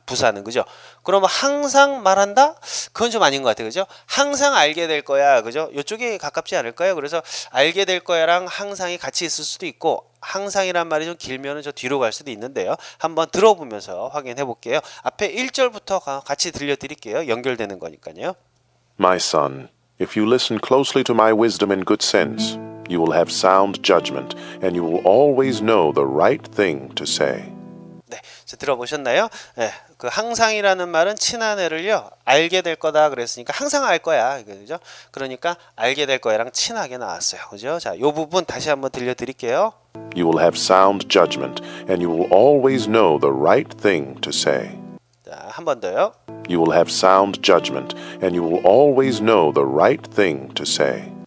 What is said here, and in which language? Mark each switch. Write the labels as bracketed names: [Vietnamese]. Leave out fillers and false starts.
[Korean] 부사는 그죠? 그러면 항상 말한다? 그건 좀 아닌 것 같아요. 그죠? 항상 알게 될 거야. 그죠? 이쪽에 가깝지 않을까요? 그래서 알게 될 거야랑 항상이 같이 있을 수도 있고 항상이란 말이 좀 길면 저 뒤로 갈 수도 있는데요. 한번 들어보면서 확인해 볼게요. 앞에 1절부터 같이 들려드릴게요. 연결되는 거니까요. [English] My son, if you listen closely to my wisdom and good sense, you will have sound judgment and you will always know the right thing to say. [Korean] 네, 이제 들어보셨나요? 네, 그 항상이라는 말은 친한 애를요 알게 될 거다 그랬으니까 항상 알 거야, 그죠? 그러니까 알게 될 거야랑 친하게 나왔어요, 그죠? 자, 요 부분 다시 한번 들려드릴게요. [English] You will have sound judgment and you will always know the right thing to say. [Korean] 자, 한 번 더요. [English] You will have sound judgment and you will always know the right thing to say.